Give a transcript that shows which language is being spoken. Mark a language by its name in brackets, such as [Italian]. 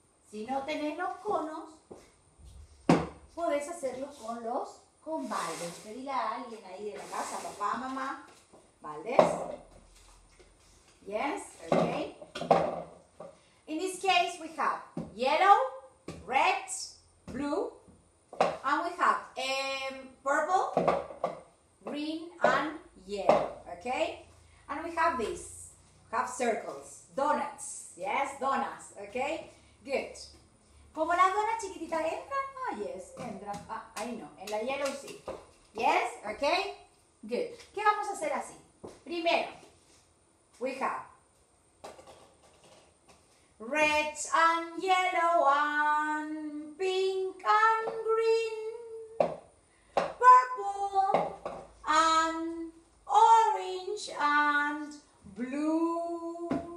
[Spanish] Si no tenés los conos, podés hacerlo con los con baldes. Pedile a alguien ahí de la casa, papá, mamá, baldes. [English] Yes? Okay? In this case, we have yellow, red, blue, and we have purple, green, and yellow, okay? And we have this, we have circles, donuts, yes, donuts, okay? [Spanish] Good. ¿Como las donas chiquititas entran? Ah, yes, entran. Ah, ahí no, en la yellow sí. Yes, okay? Good. ¿Qué vamos a hacer así? [English] Primero, we have red and yellow and pink and green, purple and orange and blue.